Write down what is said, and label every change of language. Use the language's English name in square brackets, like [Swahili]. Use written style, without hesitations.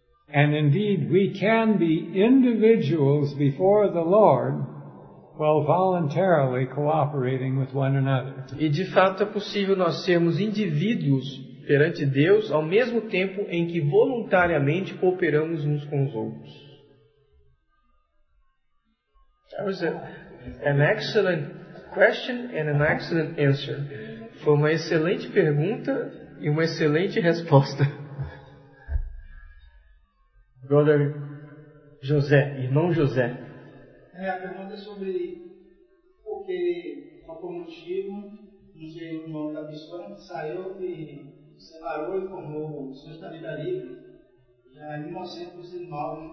[English] And indeed, we can be individuals before the Lord. While voluntarily cooperating with one another. [Portuguese] E de fato é possível nós sermos indivíduos perante Deus ao mesmo tempo em que voluntariamente cooperamos uns com os outros. [English] That was an excellent question and an excellent answer. [Portuguese] Foi uma excelente pergunta e uma excelente resposta. [English] Brother José, irmão José. [Portuguese] É, a pergunta é sobre por qual motivo o irmão da pessoa saiu e separou e formou o Senhor da Vida Livre, já em 1909.